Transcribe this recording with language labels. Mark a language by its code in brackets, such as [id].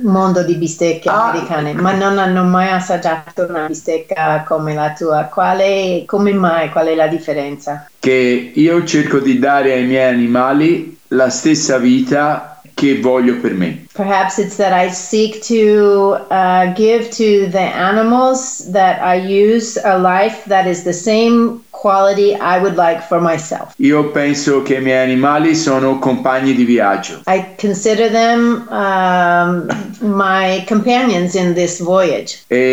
[it] Mondo di bistecche americane, ma non hanno mai assaggiato una bistecca come la tua. Qual è la differenza? Che io cerco di dare ai miei animali la stessa vita che voglio per me. [en] Perhaps it's that I seek to give to the animals that I use a life that is the same quality I would like for myself. [it] Io penso che I miei animali sono compagni di viaggio. [en] I consider them my companions in this voyage.